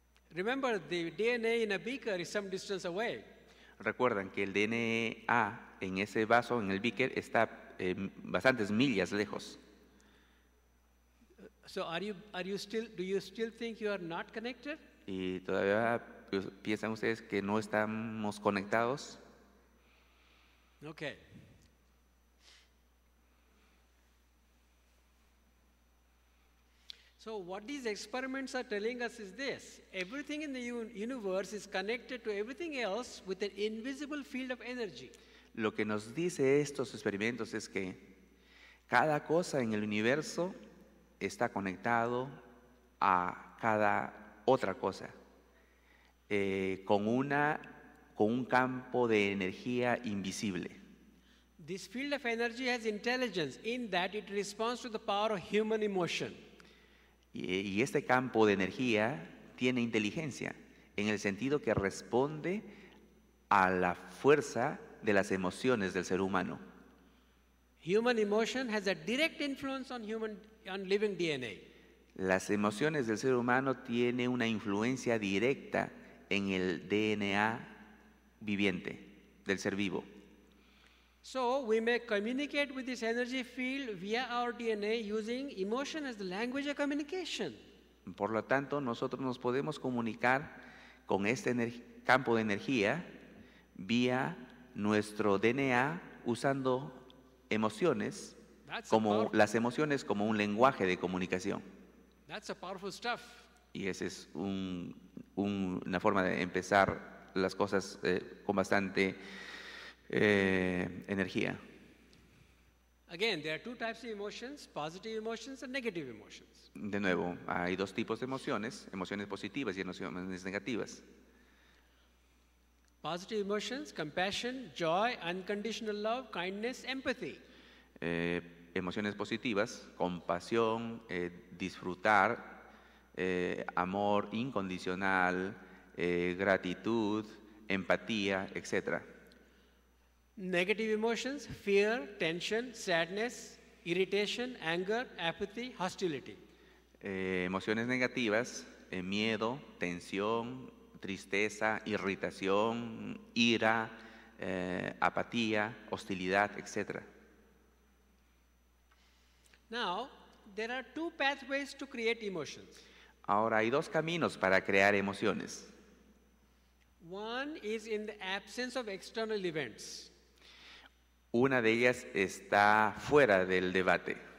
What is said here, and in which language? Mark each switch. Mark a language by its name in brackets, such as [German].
[English] Remember, the DNA in a beaker is some distance away. [Spanish] Recuerdan que el DNA en ese vaso, en el beaker, está bastantes millas lejos. [English] So are you still, do you still think you are not connected? [Spanish] ¿Y todavía piensan ustedes que no estamos conectados? [English] Okay. So what these experiments are telling us is this: everything in the universe is connected to everything else with an invisible field of energy. [Spanish] Lo que nos dice estos experimentos es que cada cosa en el universo está conectado a cada otra cosa con un campo de energía invisible. [English] This field of energy has intelligence in that it responds to the power of human emotion. [Spanish] Y este campo de energía tiene inteligencia en el sentido que responde a la fuerza de las emociones del ser humano. [English] Human emotion has a direct influence on human, on living DNA. [Spanish] Las emociones del ser humano tienen una influencia directa en el DNA viviente del ser vivo. [English] So we may communicate with this energy field via our DNA using emotion as the language of communication. [Spanish] Por lo tanto, nosotros nos podemos comunicar con este campo de energía vía nuestro DNA usando emociones, las emociones como un lenguaje de comunicación. [English] That's a powerful stuff. [Spanish] Y esa es una forma de empezar las cosas con bastante energía. [English] Again, there are two types of emotions, positive emotions and negative emotions. [Spanish] De nuevo, hay dos tipos de emociones, emociones positivas y emociones negativas. [English] Positive emotions, compassion, joy, unconditional love, kindness, empathy. [Spanish] Emociones positivas, compasión, disfrutar, amor incondicional, gratitud, empatía, etc. [English] Negative emotions, fear, tension, sadness, irritation, anger, apathy, hostility. [Spanish] Emociones negativas, miedo, tensión, tristeza, irritación, ira, apatía, hostilidad, etc. [English] Now, there are two pathways to create emotions. [Spanish] Ahora hay dos caminos para crear emociones. [English] One is in the absence of external events. [Spanish] Una de ellas está fuera del debate.